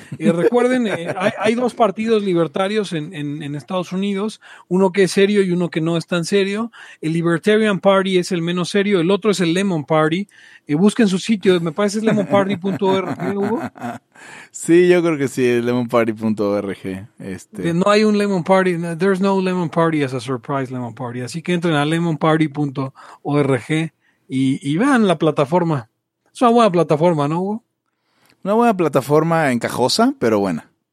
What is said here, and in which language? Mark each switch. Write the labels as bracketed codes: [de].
[es] Recuerden, hay dos partidos libertarios en Estados Unidos. Uno que es serio y uno que no es tan serio. El Libertarian Party es el menos serio. El otro es el Lemon Party. Busquen su sitio. Me parece es lemonparty.org, ¿eh, Hugo? Sí, yo creo que sí. Es lemonparty.org. No hay un Lemon Party. [en] There's no Lemon Party as a Surprise Lemon Party. [es] Así que entren a lemonparty.org y vean la plataforma. Es una buena plataforma, ¿no, Hugo? Una buena plataforma encajosa, pero buena.